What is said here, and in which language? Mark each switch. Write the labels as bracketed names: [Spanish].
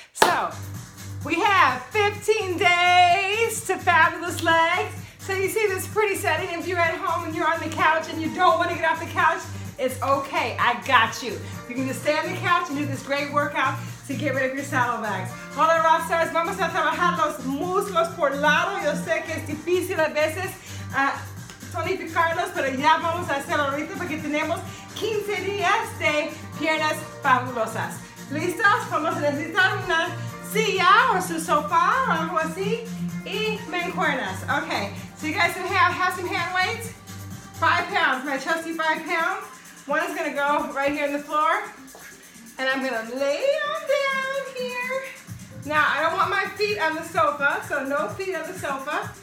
[English] So, we have 15 days to fabulous legs. So you see this pretty setting. If you're at home and you're on the couch and you don't want to get off the couch, it's okay, I got you. You can just stay on the couch and do this great workout to get rid of your saddlebags. [Spanish] Hola, rock stars, vamos a trabajar los muslos por lado. Yo sé que es difícil a veces tonificarlos, pero ya vamos a hacerlo ahorita porque tenemos 15 días de piernas fabulosas. ¿Listos? Vamos a necesitar una silla o su sofá o algo así y mancuernas. [English] Okay, so you guys have some hand weights. 5 pounds, my trusty 5 pounds. One is gonna go right here on the floor and I'm gonna lay them down here. Now, I don't want my feet on the sofa, so no feet on the sofa.